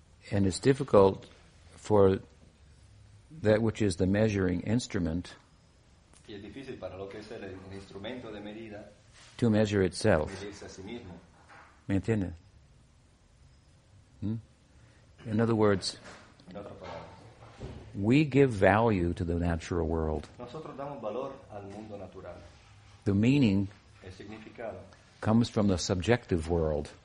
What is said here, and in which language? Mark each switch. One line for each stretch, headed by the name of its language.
English: And it's difficult for that which is the measuring instrument
Spanish: y es difícil para lo que es el instrumento de medida
English: to measure itself.
Spanish: Medirse a sí mismo. ¿Me entiendes?
English: In other words, we give value to the natural world.
Spanish: Nosotros damos valor al mundo natural.
English: The meaning
Spanish: el significado
English: comes from the subjective world.